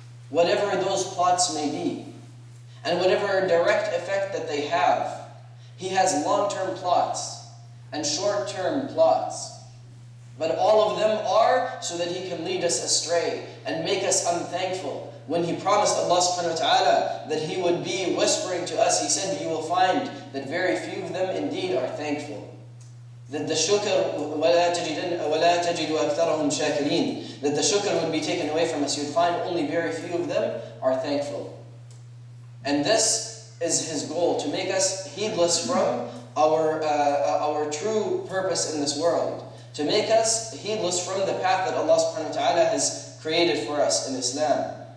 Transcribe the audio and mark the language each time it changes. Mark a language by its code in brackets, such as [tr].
[en] Whatever those plots may be, and whatever direct effect that they have, he has long-term plots and short-term plots. But all of them are so that he can lead us astray and make us unthankful. When he promised Allah subhanahu wa ta'ala that he would be whispering to us, he said, you will find that very few of them indeed are thankful. That the shukr, [ar] وَلَا تَجِدُ أَكْثَرَهُمْ شَاكِرِينَ. [en] That the shukr would be taken away from us. You'd find only very few of them are thankful. And this is his goal, to make us heedless from our true purpose in this world. To make us heedless from the path that Allah subhanahu wa ta'ala has created for us in Islam.